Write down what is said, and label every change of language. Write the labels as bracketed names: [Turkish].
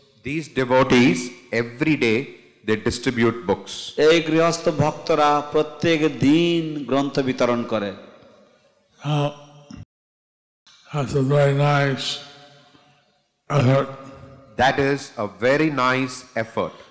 [English] These devotees, every day, they distribute books. [Bangla] এই গৃহস্থ ভক্তরা প্রত্যেক দিন গ্রন্থ বিতরণ করে. [English] That's a very nice effort. That is a very nice effort.